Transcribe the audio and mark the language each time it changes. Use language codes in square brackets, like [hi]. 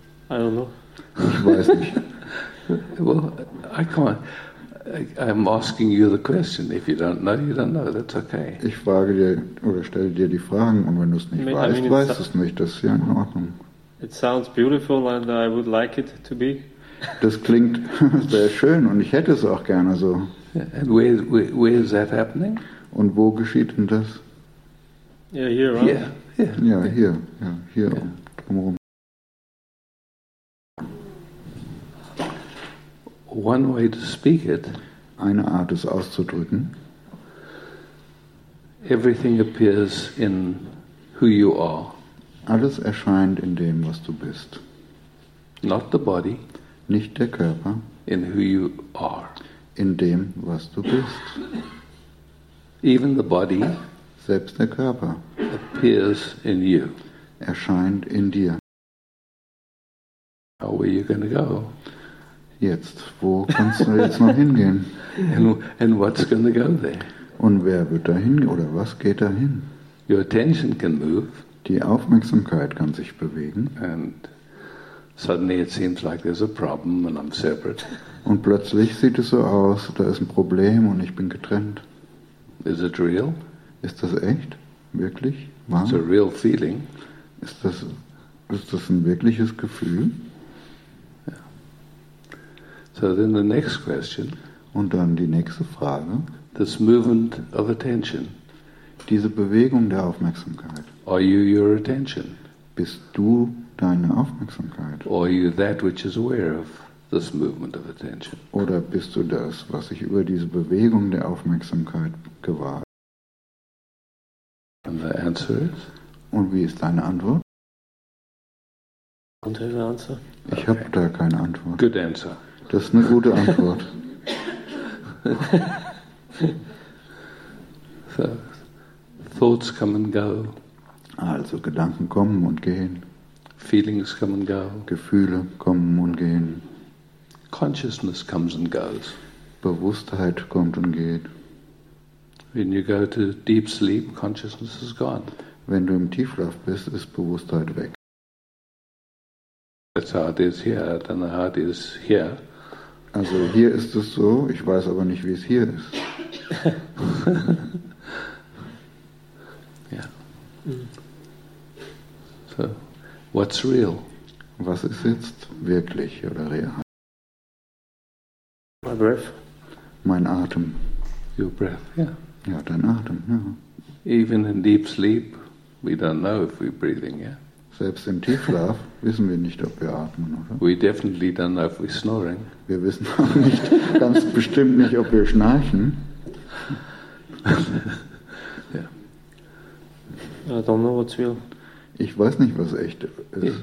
[en] I don't know. [de] Ich weiß nicht. [en] Well, I can't. I'm asking you the question. If you don't know, you don't know. That's okay. [de] Ich frage dir oder stelle dir die Fragen und wenn du es nicht weißt, weißt du es nicht. Das ist ja in Ordnung. [en] It sounds beautiful and I would like it to be. [de] Das klingt sehr schön und ich hätte es auch gerne so. [en] And where is that happening? [de] Und wo geschieht denn das? [en] Yeah, here, right? Yeah. Yeah. [de] Ja, hier. Ja, hier. [en] Yeah. [de] Drumherum. [en] One way to speak it. [de] Eine Art es auszudrücken. [en] Everything appears in who you are. [de] Alles erscheint in dem, was du bist. [en] Not the body. [de] Nicht der Körper. [en] In who you are. [de] In dem, was du bist. [en] Even the body. [de] Selbst der Körper. [en] Appears in you. [de] Erscheint in dir. [en] How are you going to go? [de] Jetzt, wo kannst du jetzt noch hingehen? [en] And what's going to go there? [de] Und wer wird dahin oder was geht dahin? [en] Your attention can move. [de] Die Aufmerksamkeit kann sich bewegen. [en] And suddenly it seems like there's a problem and I'm separate. [de] Und plötzlich sieht es so aus, da ist ein Problem und ich bin getrennt. [en] Is it real? [de] Ist das echt? Wirklich? Wahr? [en] It's a real feeling. [de] Ist das ein wirkliches Gefühl? [en] So then the next question. [de] Und dann die nächste Frage. [en] This movement of attention. [de] Diese Bewegung der Aufmerksamkeit. [en] Are you your attention? [de] Bist du deine Aufmerksamkeit? [en] Or are you that which is aware of this movement of attention? [de] Oder bist du das, was sich über diese Bewegung der Aufmerksamkeit gewahr? [en] And the answer is? [de] Und wie ist deine Antwort? [en] Don't have an answer. [de] Ich [en] okay. [de] habe da keine Antwort. [en] Good answer. [de] Das ist eine gute Antwort. [en] So, thoughts come and go. [de] Also Gedanken kommen und gehen. [en] Feelings come and go. [de] Gefühle kommen und gehen. [en] Consciousness comes and goes. [de] Bewusstheit kommt und geht. [en] When you go to deep sleep, consciousness is gone. [de] Wenn du im Tiefschlaf bist, ist Bewusstheit weg. [en] That's how it is here. I don't know how it is here. [de] Also hier ist es so, ich weiß aber nicht, wie es hier ist. [en] Yeah. So, what's real? [de] Was ist jetzt wirklich oder real? [en] My breath. [de] Mein Atem. [en] Your breath, yeah. [de] Ja, dein Atem, ja. [en] Even in deep sleep, we don't know if we're breathing, yeah. [de] Selbst im Tiefschlaf wissen wir nicht, ob wir atmen, oder? [en] We definitely don't know if we're snoring. [de] Wir wissen auch nicht, ganz bestimmt nicht, ob wir schnarchen. [en] Yeah. I don't know what's real. [de] Ich weiß nicht, was echt ist. [en] Yeah,